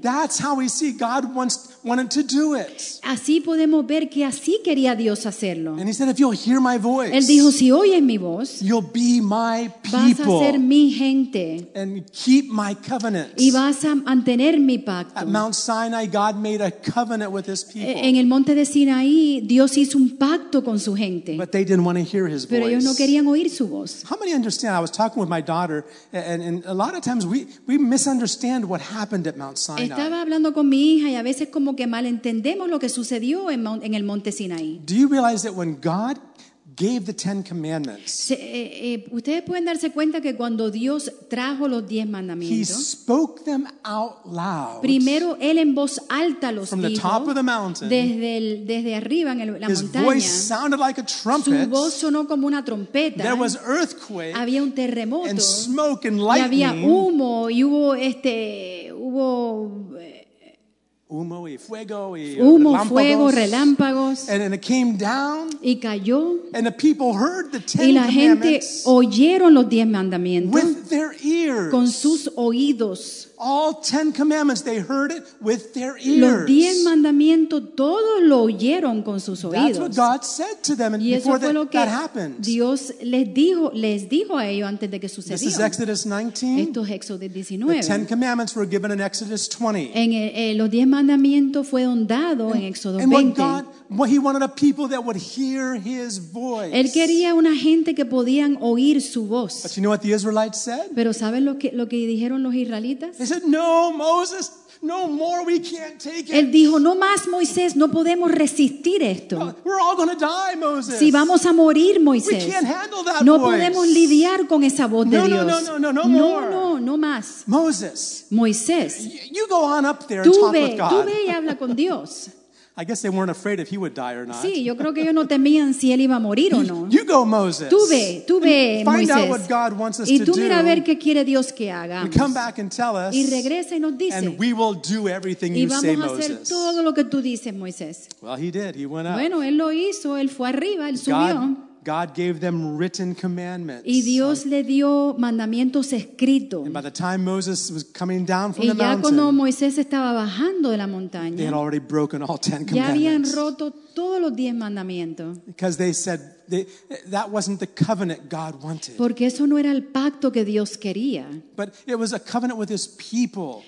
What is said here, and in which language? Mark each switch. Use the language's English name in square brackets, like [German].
[English] That's how we see God wanted to do it. [Spanish] Así podemos ver que así quería Dios hacerlo. [English] And he said, if you'll hear my voice. [Spanish] Él dijo, si oyes mi voz. [English] You'll be my people. [Spanish] Vas a ser mi gente. [English] And keep my covenant. [Spanish] Y vas a mantener mi pacto. [English] At Mount Sinai, God made a covenant with his people. [Spanish] En el monte de Sinaí, Dios hizo un pacto con su gente. [English] But they didn't want to hear his voice. [Spanish] Pero ellos no querían oír su voz. [English] How many understand? I was talking with my daughter, and a lot of times we misunderstand what happened at Mount Sinai. [Spanish] Estaba hablando con mi hija y a veces como que mal entendemos lo que sucedió en el monte Sinaí. [English] Do you realize that when God gave the Ten Commandments. [Spanish] Ustedes pueden darse cuenta que cuando Dios trajo los 10 mandamientos, [English] he spoke them out loud. [Spanish] Primero él en voz alta los dijo. [English] From the top of the mountain. [Spanish] Desde arriba en la montaña. [English] His voice sounded like a trumpet. [Spanish] Su voz sonó como una trompeta. [English] There was earthquake. [Spanish] Había un terremoto. [English] And smoke and lightning. [Spanish] Y había humo y hubo hubo humo y fuego y humo, fuego, relámpagos. [English] And it came down, [Spanish] y cayó. [English] And the people heard the ten [Spanish] y la gente [English] commandments [Spanish] oyeron los 10 mandamientos [English] with their ears. [Spanish] Con sus oídos. [English] All 10 commandments, they heard it with their ears. [Spanish] Los 10 mandamientos, todos lo oyeron con sus oídos. [English] That's what God said to them [Spanish] y [English] before [Spanish] eso fue lo que [English] that happened. [Spanish] Dios les dijo a ellos antes de que sucedió. [English] This is Exodus 19. [Spanish] Esto es Éxodo 19. [English] The 10 commandments were given in Exodus 20. [Spanish] Los 10 mandamientos fueron dados en Éxodo 20. [English] And what God, what he wanted a people that would hear his voice. [Spanish] Él quería una gente que podían oír su voz. [English] But you know what the Israelites said? [Spanish] Pero ¿saben lo que dijeron los israelitas? [English] They said, no, Moses, no more, we can't take it. [Spanish] Él dijo, no más, Moisés, no podemos resistir esto. [English] No, we're all gonna die, Moses. [Spanish] Si vamos a morir, Moisés. [English] We can't handle that [Spanish] no [English] voice. [Spanish] Podemos lidiar con esa voz de no, Dios. [English] No, no, no, no, no, no more. [Spanish] No, no, no más. [English] Moses. [Spanish] Moisés. [English] You go on up there and talk with God. [Spanish] Tú ve y habla con Dios. [English] I guess they weren't afraid if he would die or not. [Spanish] Sí, yo creo que ellos no temían si él iba a morir o no. [English] You go, Moses. [Spanish] Tú ve, [English] find [Spanish] Moisés. [English] Find out what God wants us to do. [Spanish] Y tú mira a ver qué quiere Dios que haga. [English] And come back and tell us. [Spanish] Y regresa y nos dice. [English] And we will do everything you say, Moses. [Spanish] Y vamos a hacer todo lo que tú dices, Moisés. [English] Well, he did. He went up. [Spanish] Bueno, él lo hizo. Él fue arriba. Él subió. [English] God, God gave them written commandments. [Spanish] Y Dios le dio mandamientos escritos. [English] And by the time Moses was coming down from [Spanish] y [English] the mountain, [Spanish] ya cuando Moisés estaba bajando de la montaña, [English] they had already broken all 10 commandments. [Spanish] Ya habían roto todos los 10 mandamientos. [English] Because they said that wasn't the covenant God wanted. [Spanish] Porque eso no era el pacto que Dios quería. [English] But it was a covenant with his people.